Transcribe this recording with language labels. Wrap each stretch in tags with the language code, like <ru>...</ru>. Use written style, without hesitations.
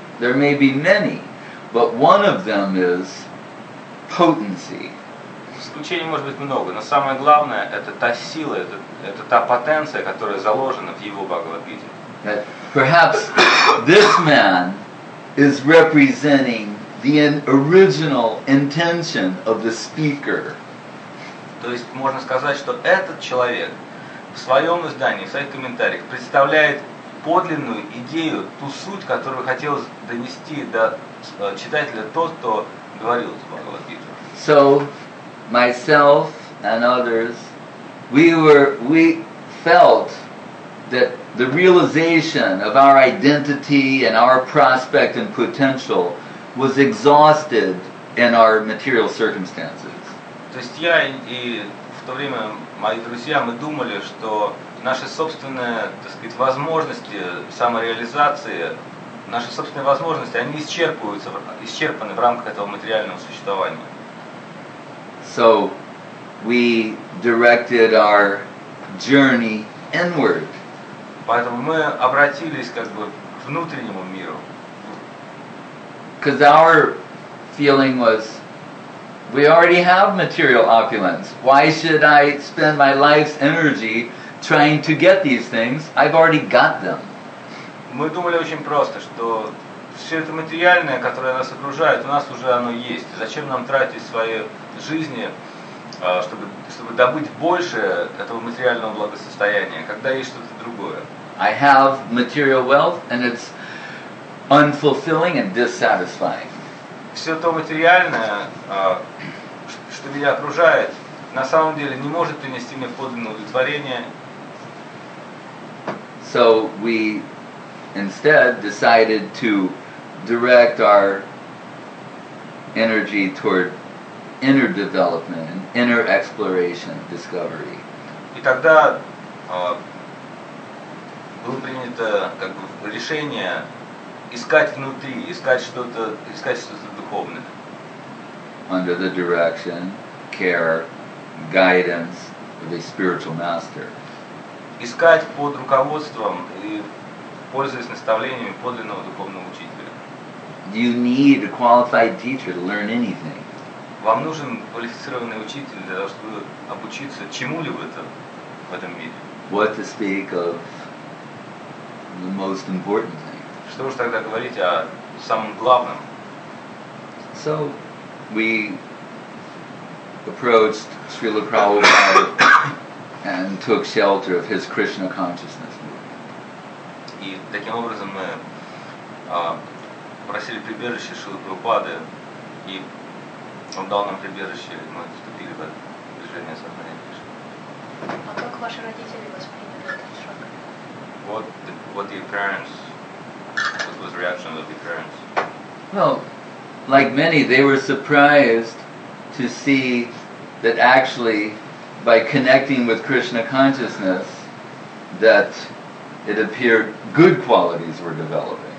<en>There may be many, but one of them is potency.</en> <ru>исключений может быть много, но самое главное – это та сила, это та потенция, которая заложена в его Бхагавад-гите.</ru> <en>Perhaps this man is representing the original intention of the speaker.</en> <ru>То есть можно сказать, что этот человек в своем издании, в своих комментариях представляет подлинную идею, ту суть, которую хотел донести до читателя тот, кто говорил в Бхагавад-гите.</ru> <en>So, myself and others, we felt that the realization of our identity and our prospect and potential was exhausted in our material circumstances.</en> <ru>То есть я и в то время мои друзья, мы думали, что наши собственные, так сказать, возможности самореализации, наши собственные возможности, они исчерпаны в рамках этого материального существования.</ru> <en>So we directed our journey inward.</en> <ru>Поэтому мы обратились как бы к внутреннему миру.</ru> <en>Because our feeling was, we already have material opulence. Why should I spend my life's energy trying to get these things? I've already got them.</en> <ru>Мы думали очень просто, что все это материальное, которое нас окружает, у нас уже оно есть. Зачем нам тратить свои жизни, чтобы добыть больше этого материального благосостояния, когда есть что-то другое?</ru> <en>I have material wealth, and it's unfulfilling and dissatisfying.</en> <ru>Все то материальное, что меня окружает, на самом деле не может принести мне подлинное удовлетворение.</ru> <en>So we instead decided to direct our energy toward inner development, inner exploration, discovery.</en> <ru>И тогда было принято как бы решение искать внутри, искать что-то духовное.</ru> <en>Under the direction, care, guidance of a spiritual master.</en> <ru>Искать под руководством и пользуясь наставлениями подлинного духовного учителя.</ru> <en>You need a qualified teacher to learn anything.</en> <ru>Вам нужен квалифицированный учитель для того, чтобы обучиться чему-либо в этом мире.</ru> <en>What to speak of the most important thing.</en> <ru>Что уж тогда говорить о самом главном?</ru> <en>So, we approached Srila Prabhupada and took shelter of his Krishna consciousness movement.</en> <ru>И таким образом мы просили прибежище Шрилы Прабхупады и он дал нам прибежище, мы вступили в движение сознания Кришны. А как ваши родители восприняли этот шаг?</ru> <en>What was the reaction of the parents? Well, like many, they were surprised to see that actually, by connecting with Krishna consciousness, that it appeared good qualities were developing.</en>